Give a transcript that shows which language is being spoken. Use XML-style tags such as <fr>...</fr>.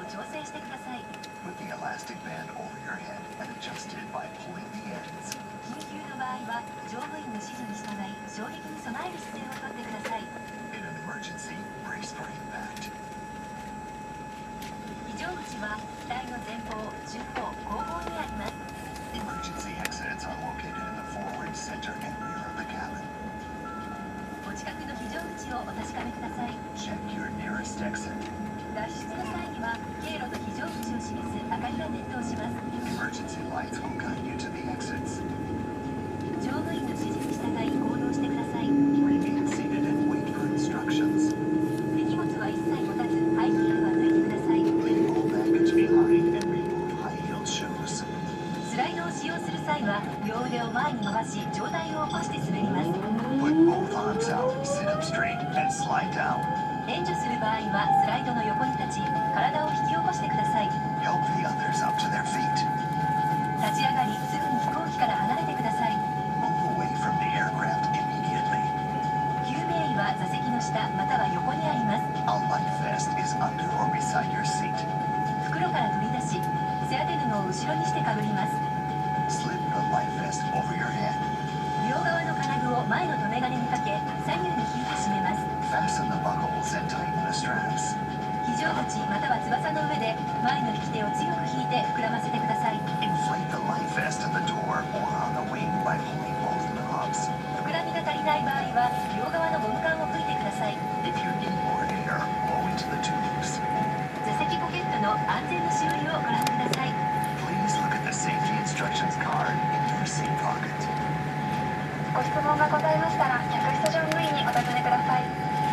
<en>Put the elastic band over your head and adjust it by pulling the ends.</en> <ja>緊急の場合は乗務員の指示に従い衝撃に備える姿勢をとってください。</ja> <en>In an emergency, brace for impact.</en> <ja>非常口は機体の前方、中方、後方にあります。</ja> <en>Emergency exits are located in the forward, center, and rear of the cabin.</en> <ja>お近くの非常口をお確かめください。</ja> <en>Check your nearest exit. Emergency lights will guide you to the exits.</en> <ja>乗務員の指示に従い行動してください。</ja> <en>Remain seated and wait for instructions.</en> <ja>手荷物は一切持たず、ハイヒールは脱いでください。</ja> <en>Leave all baggage behind and remove high heel shoes.</en> <ja>スライドを使用する際は、両腕を前に伸ばし、上体を起こして滑ります。</ja> <en>Put both arms out, sit up straight, and slide down.</en> <ja>援助する場合はスライドの横に立ち体を引き起こしてください。</ja> <en>Help the others up to their feet.</en> <ja>立ち上がりすぐに飛行機から離れてください。</ja> <en>Move away from the aircraft immediately.</en> <ja>救命衣は座席の下または横にあります。</ja> <en>A life vest is under or beside your seat.</en> <ja>袋から取り出し背当て布を後ろにしてかぶります。</ja> <en>Slip the life vest over your head.</en> <ja>両側の金具を前の留め金にかけ、左右に引いて締めます。</ja> <en>Fasten the buckles and tighten the straps.</en> <ja>非常口または翼の上で、前の引き手を強く引いて膨らませてください。</ja> <en>Inflate the life vest at the door or on the wing by pulling both knobs.</en> <ja>膨らみが足りない場合は、両側のゴム管を吹いてください。</ja> <en>If you need more air, blow into the tubes.</en> <ja>座席ポケットの安全の仕組みをご覧ください。</ja> <en>Please look at the safety instructions card in your seat pocket.</en> <ja>ご質問がございましたら、客室乗務員にお尋ねください。</ja>